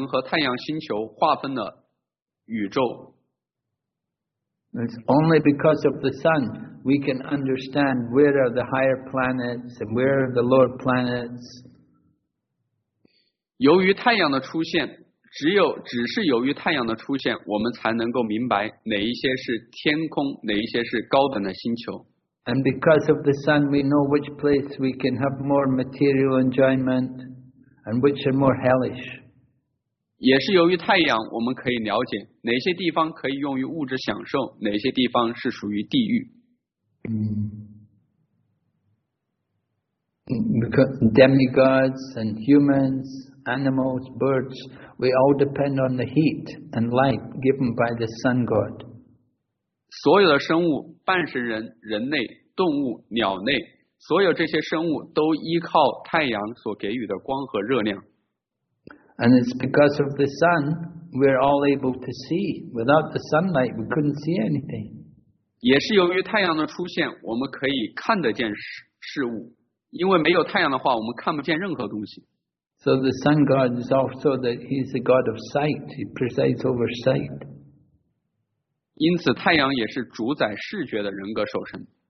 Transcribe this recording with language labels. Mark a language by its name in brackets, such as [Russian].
[Chinese] 太阳神和太阳星球划分了宇宙。 [English] It's only because of the sun we can understand where are the higher planets and where are the lower planets. [Chinese] 由于太阳的出现, 只是由于太阳的出现, 我们才能够明白哪一些是天空, 哪一些是高等的星球。 [English] And because of the sun, we know which place we can have more material enjoyment and which are more hellish. [Chinese] 也是由于太阳, 我们可以了解哪些地方可以用于物质享受, 哪些地方是属于地狱。 [English] Because demigods and humans, animals, birds, we all depend on the heat and light given by the sun god. [Chinese] 所有的生物,半神人,人类,动物,鸟类, 所有这些生物都依靠太阳所给予的光和热量。 [English] And it's because of the sun we're all able to see. Without the sunlight, we couldn't see anything. [Chinese] 也是由于太阳的出现,我们可以看得见事物。因为没有太阳的话,我们看不见任何东西。 [English] So the sun god is also that he's the god of sight. He presides over sight. [Chinese] 因此太阳也是主宰视觉的人格守神。